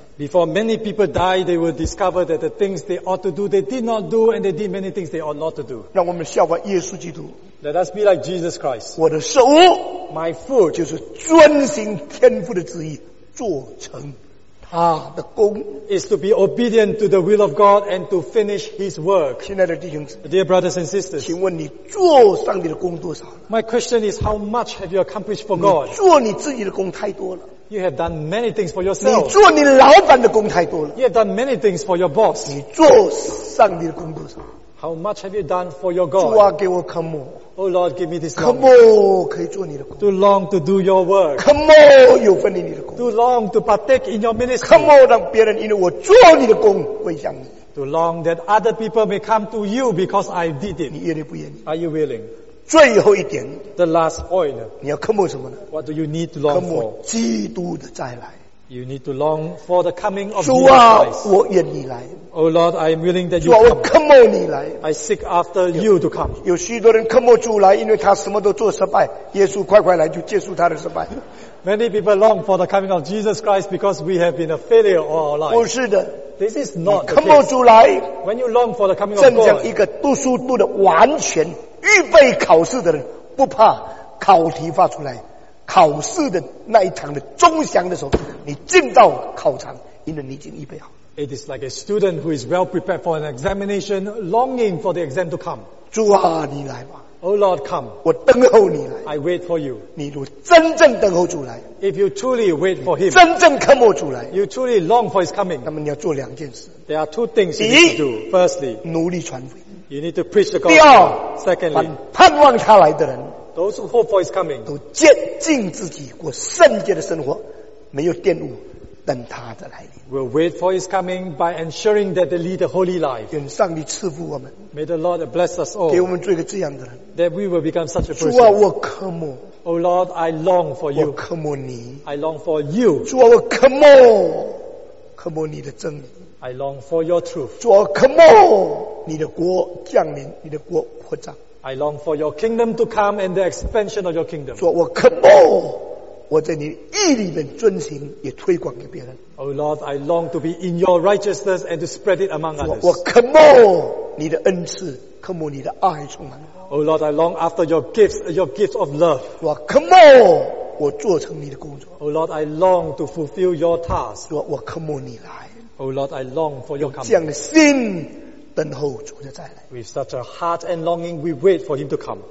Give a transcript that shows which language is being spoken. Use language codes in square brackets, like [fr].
[en] Before many people die, they will discover that the things they ought to do, they did not do, and they did many things they ought not to do. [zh] 让我们效法耶稣基督。 [en] Let us be like Jesus Christ. [zh] 我的食物， [en] My food, [zh] 就是遵行天父的旨意， 做成他的工。 [en] Is to be obedient to the will of God and to finish His work. [zh] 亲爱的弟兄子， [en] Dear brothers and sisters, [zh] 请问你做上帝的工多少呢？ [en] My question is, how much have you accomplished for God? [zh] 你做你自己的工太多了。 [en] You have done many things for yourself. [zh] 你做你老板的工太多了。 [en] You have done many things for your boss. [zh] 你做上帝的工多少？ [en] How much have you done for your God? [zh] 主啊，给我渴慕。 [en] Oh Lord, give me this morning. [zh] 渴慕可以做你的工。 [en] To long to do your work. [zh] 渴慕有份于你的工。 [en] To long to partake in your ministry. [zh] 渴慕让别人因为我做你的工归向你。 [en] To long that other people may come to you because I did it. [zh] 你愿意不愿意？ [en] Are you willing? [zh] 最后一点， [en] The last point. [zh] 你要渴慕什么呢？ [en] What do you need to long for? [zh] 渴慕基督的再来。 [en] You need to long for the coming of [zh] Jesus Christ. 主啊，我愿你来。 [en] Oh Lord, I am willing that you come. [zh] 主啊，我渴慕你来。 [en] I seek after you to come. [zh] 有许多人渴慕主来， 因为他什么都做失败， 耶稣快快来就结束他的失败。 [en] Many people long for the coming of Jesus Christ because we have been a failure all our life. [zh] 不是的。 [en] This is not the case. [zh] 渴慕主来， [en] When you long for the coming of God, [zh] 正像一个读书读得完全预备考试的人， 不怕考题发出来， 考试的那一场的钟响的时候， 你进到考场， 因为你已经预备好。 [en] It is like a student who is well prepared for an examination, longing for the exam to come. [zh] 主啊，你来吧。 [en] Oh Lord, come. [zh] 我等候你来。 [en] I wait for you. [zh] 你如真正等候主来。 [en] If you truly wait for him. [zh] 真正渴慕主来。 [en] You truly long for his coming. [zh] 那么你要做两件事。 [en] There are two things you need to do. Firstly, [zh] 努力传福音。 [en] You need to preach the gospel. [zh] 第二， [en] Secondly, [zh] 盼望他来的人， [en] those who hope for his coming, [zh] 都坚定自己过圣洁的生活，没有玷污，等他的来临。 [en] We'll wait for his coming by ensuring that they lead a holy life. [zh] 愿上帝赐福我们。 [en] May the Lord bless us all. [zh] 给我们做一个这样的人。 [en] That we will become such a person. [zh] 主啊，我渴慕。 [en] Oh Lord, I long for you. [zh] 我渴慕你。 [en] I long for you. [zh] 主啊，我渴慕，渴慕你的真理。 [en] I long for your truth. [zh] 主啊，渴慕你的国降临，你的国扩张。 [en] I long for your kingdom to come and the expansion of your kingdom. [zh] 主啊，我渴慕我在你义里面遵行，也推广给别人。 [en] Oh Lord, I long to be in your righteousness and to spread it among others. [zh] 我渴慕你的恩赐，渴慕你的爱充满。 [en] Oh Lord, I long after your gifts of love. [zh] 我渴慕我做成你的工作。 [en] Oh Lord, I long to fulfill your task. [zh] 我渴慕你来。 [en] Oh Lord, I long for your coming. [zh] 这样的心等候主的再来。 [en] With such a heart and longing, we wait for him to come.